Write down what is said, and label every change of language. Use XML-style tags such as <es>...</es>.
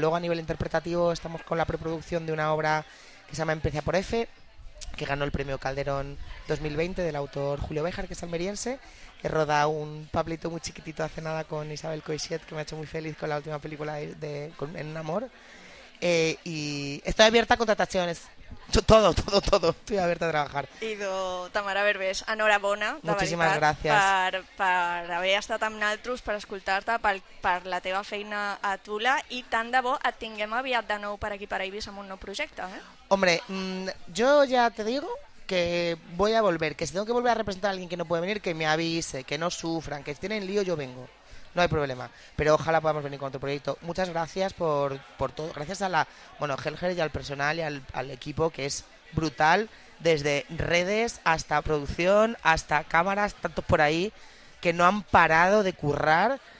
<es>Luego, a nivel interpretativo, estamos con la preproducción de una obra que se llama Empecia por F, que ganó el premio Calderón 2020 del autor Julio Béjar, que es almeriense. He rodado un pablito muy chiquitito hace nada con Isabel Coixet, que me ha hecho muy feliz con la última película en Amor. Y estoy abierta a contrataciones. Todo. Estoy abierta a trabajar.</es> <ca>Ido, Tamara Berbés, enhorabona.</ca> <es>Muchísimas</es> <ca>veritat,</ca> <es>gracias.</es> <ca>Per haver estat amb naltros, per escoltar-te, per la teva feina a Tula, i tant de bo et tinguem aviat de nou per aquí, per Ibis, amb un nou projecte.</ca> <es>Hombre, yo ya te digo que voy a volver, que si tengo que volver a representar a alguien que no puede venir, que me avise, que no sufran, que si tienen lío yo vengo. No hay problema, pero ojalá podamos venir con otro proyecto. Muchas gracias por todo. Gracias a la, bueno, Helger y al personal y al equipo, que es brutal, desde redes hasta producción, hasta cámaras, tantos por ahí, que no han parado de currar.</es>